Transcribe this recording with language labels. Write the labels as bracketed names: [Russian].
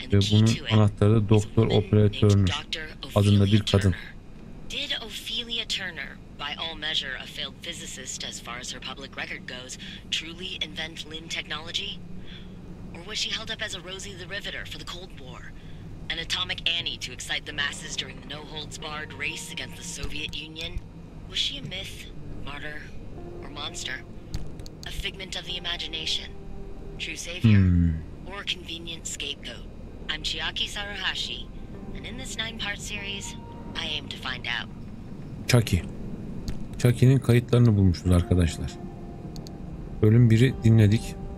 [Turkish] Ve bunun anahtarı da Dr. Ophelia Turner adında bir kadın. [English] Did Ophelia Turner, by all measure a failed physicist as far as her public record goes, truly invent Lin technology? Or was she held up as a Rosie the Riveter for the Cold War? An atomic Annie to excite the masses during the no-holds-barred race against the Soviet Union? Was she a myth, martyr, or monster? A figment of the imagination? True savior? Or a convenient scapegoat? I'm Chiaki Sarahashi, and in this 9-part series, I aim to find out. Chucky. [Turkish] Chucky'nin kayıtlarını bulmuşuz arkadaşlar. Bölüm 1'i dinledik.